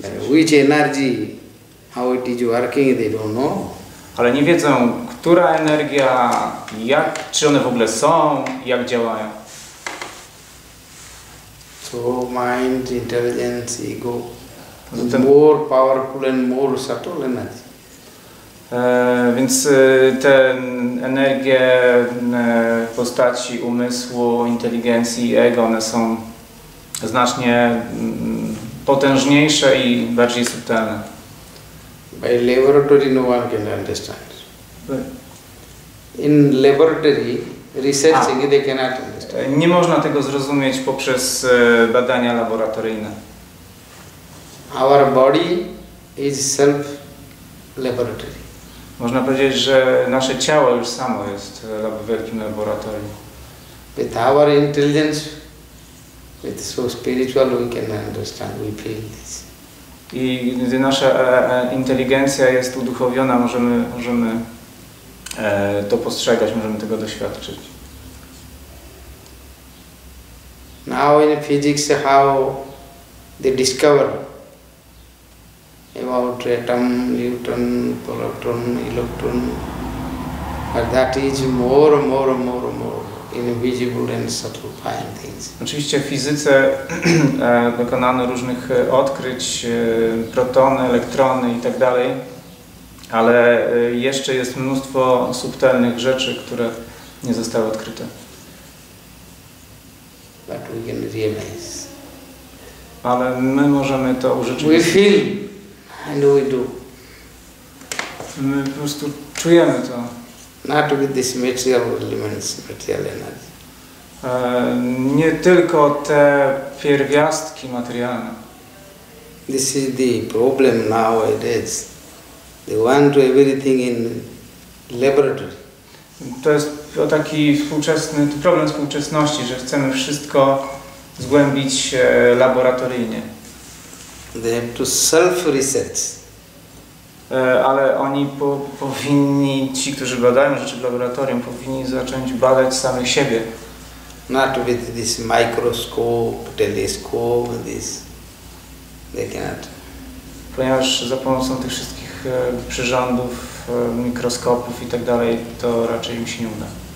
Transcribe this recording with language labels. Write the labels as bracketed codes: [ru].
[en] Which energy, how it is working, they don't know. [pl] Ale nie wiedzą, która energia, jak, czy one w ogóle są, jak działają. [en] So mind, intelligence, ego, more powerful and more subtle energy. [pl] Więc te energie w postaci umysłu, inteligencji, ego, one są znacznie potężniejsze i bardziej subtelne. [en] By laboratory no one can understand. In laboratory researching they cannot understand. [pl] Nie można tego zrozumieć poprzez badania laboratoryjne. [en] Our body is self laboratory. [pl] Można powiedzieć, że nasze ciało już samo jest w wielkim laboratorium. [en] With our intelligence, It's so spiritual, we can understand, we feel this. [pl] I gdy nasza inteligencja jest uduchowiona, możemy to postrzegać, możemy tego doświadczyć. [en] Now in physics, how they discover about atom, neutron, proton, electron, but that is more invisible and subtle fine things. [pl] Oczywiście w fizyce dokonano różnych odkryć, protony, elektrony i tak dalej, ale jeszcze jest mnóstwo subtelnych rzeczy, które nie zostały odkryte. [en] But we can realize. [pl] Ale my możemy to urzeczywistnić. [en] We feel and we do. [pl] My po prostu czujemy to. [en] Not with this material elements, material energy. [pl] Nie tylko te pierwiastki materialne. [en] This is the problem nowadays. They want everything in laboratory. [pl] To jest taki współczesny, to problem współczesności, że chcemy wszystko zgłębić laboratoryjnie. [en] They have to self-research. [pl] Ale oni powinni, ci, którzy badają rzeczy w laboratorium, powinni zacząć badać samych siebie. [en] Not with this microscope, telescope, this. They cannot. [pl] Ponieważ za pomocą tych wszystkich przyrządów, mikroskopów i tak dalej, to raczej im się nie uda.